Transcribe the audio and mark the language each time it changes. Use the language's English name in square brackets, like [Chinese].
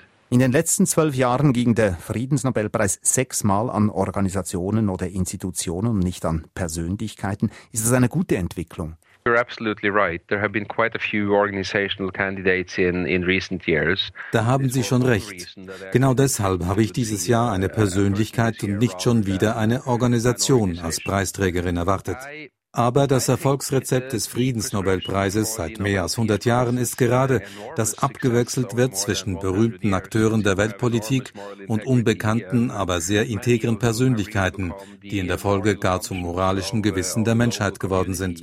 [German] In den letzten 12 Jahren ging der Friedensnobelpreis 6-mal an Organisationen oder Institutionen und nicht an Persönlichkeiten. Ist das eine gute Entwicklung? [English] You're absolutely right. There have been quite a few organizational candidates in recent years. [German] Da haben Sie schon recht. Genau deshalb habe ich dieses Jahr eine Persönlichkeit und nicht schon wieder eine Organisation als Preisträgerin erwartet. Aber das Erfolgsrezept des Friedensnobelpreises seit mehr als 100 Jahren ist gerade, dass abgewechselt wird zwischen berühmten Akteuren der Weltpolitik und unbekannten, aber sehr integren Persönlichkeiten, die in der Folge gar zum moralischen Gewissen der Menschheit geworden sind.